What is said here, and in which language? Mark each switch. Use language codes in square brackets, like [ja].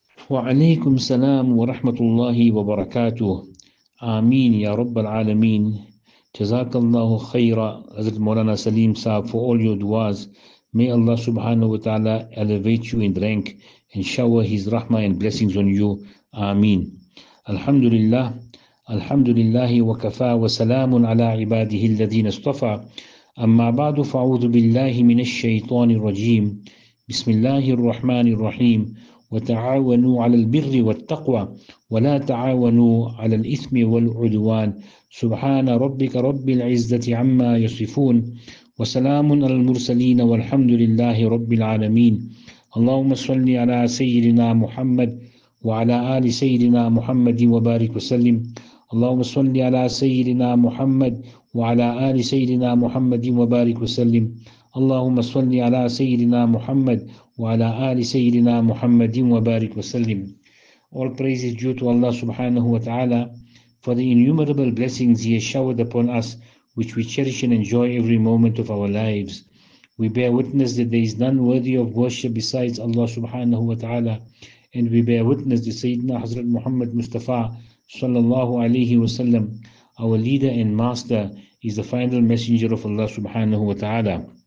[ar] وعليكم السلام ورحمة الله وبركاته. آمين يا رب العالمين. جزاك الله خيرا حضرت مولانا سليم صاحب [en] for all your duas. May Allah subhanahu wa ta'ala elevate you in rank and shower his rahmah and blessings on you. [ar] Ameen. Alhamdulillah. Alhamdulillahi wa kafa wa salamun ala ibadihi alladhin astafa. Amma ba'du fa'udhu billahi min ash-shaytani rajim. Bismillahir rahmanir rahim. وتعاونوا على البر والتقوى ولا تعاونوا على الإثم والعدوان سبحان ربك رب العزة عما يصفون وسلام على المرسلين والحمد لله رب العالمين اللهم صل على سيدنا محمد وعلى آل سيدنا محمد وبارك وسلم اللهم صل على سيدنا محمد وعلى آل سيدنا محمد وبارك وسلم اللهم صل على سيدنا محمد وعلى آل سيدنا محمد وبارك وسلم. [en] All praise is due to Allah subhanahu wa ta'ala for the innumerable blessings He has showered upon us, which we cherish and enjoy every moment of our lives. We bear witness that there is none worthy of worship besides Allah subhanahu wa ta'ala, and we bear witness that Sayyidina Hazrat Muhammad Mustafa sallallahu alayhi wa sallam, our leader and master, is the final messenger of Allah subhanahu wa ta'ala.